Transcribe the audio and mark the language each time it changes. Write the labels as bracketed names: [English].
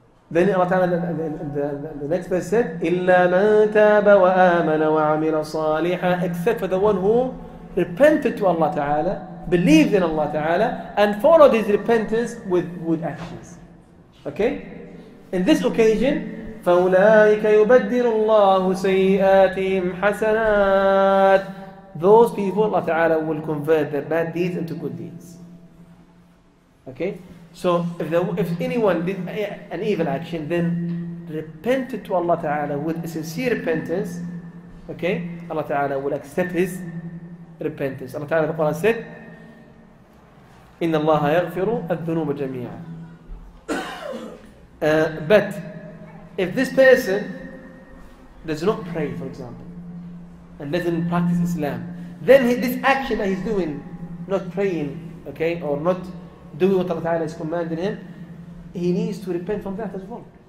[English] Then Allah Ta'ala, the next verse said, [Arabic] إِلَّا مَن تَابَ وَآمَنَ وَعَمِلَ صَالِحًا. [English] Except for the one who repented to Allah Ta'ala, believed in Allah Ta'ala, and followed his repentance with good actions. Okay? In this occasion, [Arabic] فَأُولَٰئِكَ يُبَدِّلُ اللَّهُ سَيِّئَاتِهِمْ حَسَنَاتٍ. [English] Those people, Allah Ta'ala will convert their bad deeds into good deeds. Okay? So if anyone did an evil action, then repented to Allah Ta'ala with a sincere repentance, okay, Allah Ta'ala will accept his repentance. Allah Ta'ala, the Quran said, [Arabic] إن الله يغفر الذنوب جميعا. [English] But if this person does not pray, for example, and doesn't practice Islam, then this action that he's doing, not praying, okay, or not doing what Allah Ta'ala is commanding him, he needs to repent from that as well.